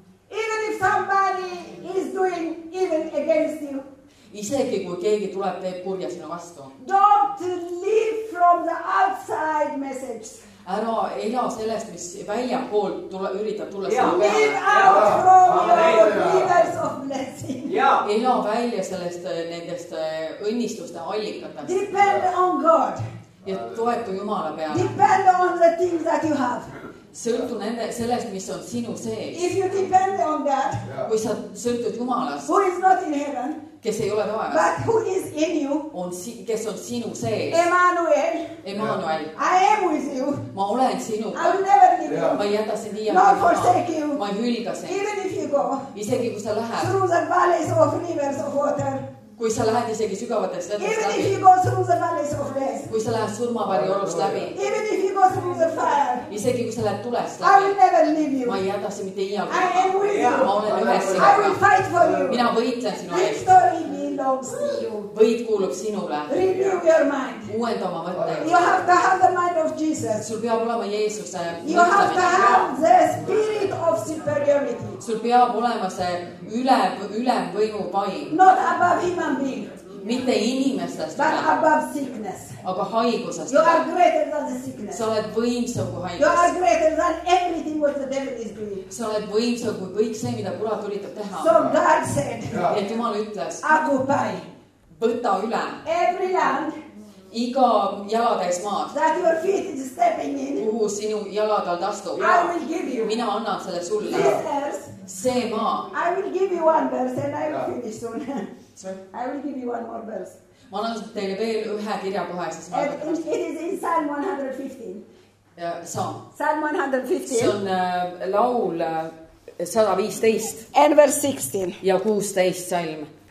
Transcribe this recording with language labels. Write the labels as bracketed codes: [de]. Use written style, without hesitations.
[en] Even if somebody is doing even against you. [et] Isegi kui keegi tuleb teeb kurja sinu vastu. [en] Don't live from the outside message. [et] Ära ela sellest, mis välja poolt üritab tulla sinu peale. [en] Live out from your rivers of blessing. Yeah. [et] Ela välja sellest nendest õnnistuste allikatest. [en] Depend on God. [et] Ja toetu Jumala peale. [en] Depend on the things that you have. [et] Sõltu nende sellest, mis on sinu sees. [en] If you depend on that. [et] Kui sa sõltud Jumalast. [en] Who is not in heaven. [et] Kes ei ole taevas. [en] But who is in you. [et] On kes on sinu sees. [en] Emmanuel. Yeah. I am with you. [et] Ma olen sinuga. [en] I will never leave you. [et] Ma ei jäta sind iial. [en] Not forsake you. [et] Ma ei hülga sind. [en] Even if you go. [et] Isegi kui sa lähed. [en] Through the valleys of rivers of water. [et] Kui sa lähed isegi sügavates vedades läbi. [en] Even if you go through the valleys of death. [et] Kui sa lähed surmavarju olust läbi. [en] Even if you go through the fire. [et] Isegi kui sa lähed tulest läbi. [en] I will never leave you. [et] Ma ei jäta sind mitte iial. [en] I am with you. [et] Ma olen ühes sinuga. [en] I will fight for you. [et] Mina võitlen sinu eest. [en] Victory belongs to you. [et] Võit kuulub sinule. [en] Renew your mind. [et] Uuenda oma mõtteid. [en] You have to have the mind of Jesus. [et] Sul peab olema Jeesuse mõtlemine. [en] You have to have the spirit of superiority. [et] Sul peab olema see ülem võimu vaim. [en] Not above human being. [et] Mitte inimestest. [en] But above sickness. [et] Aga haigusest. [en] You are greater than the sickness. [et] Sa oled võimsam kui haigus. [en] You are greater than everything what the devil is doing. [et] Sa oled võimsam kui kõik see, mida kurat üritab teha. [en] So God said. [et] Ja Jumal ütles. [en] Occupy. [et] Võta üle. [en] Every land. [et] Iga jalatäis maad. [en] That your feet is stepping in. [et] Kuhu sinu jalatalt astub. [en] I will give you. [et] Mina annan selle sulle. [en] This earth. [et] See maa. [en] I will give you one verse and I will finish soon. I will give you one more verse. [et] Ma annan teile veel ühe kirja kohe, siis ma arvan. [en] It is in Psalm 115. [et] Ja, Psalm. Psalm 115. See on laul 115. [en] And verse 16. [et] Ja 16 salm.